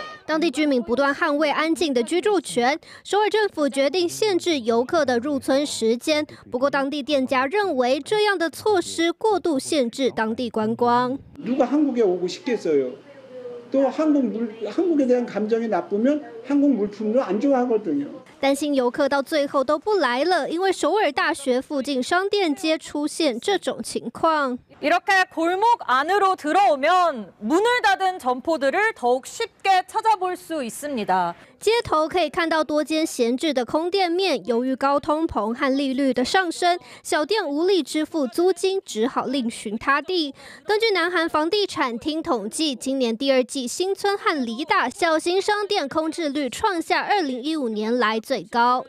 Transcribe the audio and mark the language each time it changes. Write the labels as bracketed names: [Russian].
[Chinese] 当地居民不断捍卫安静的居住权。首尔政府决定限制游客的入村时间，不过当地店家认为这样的措施过度限制当地观光。 [Korean] 누가한국에오고싶겠어요또한국물한국에대한감정이나쁘면한국물품도안좋아하거든요 [Chinese] 担心游客到最后都不来了，因为首尔大学附近商店街出现这种情况。 [Korean] 이렇게골목안으로들어오면문을닫은점포들을더욱쉽게찾아볼수있습니다 [Chinese] 街头可以看到多间闲置的空店面，由于高通膨和利率的上升，小店无力支付租金，只好另寻他地。根据南韩房地产厅统计，今年第二季新村和梨大小型商店空置率创下2015年来最高。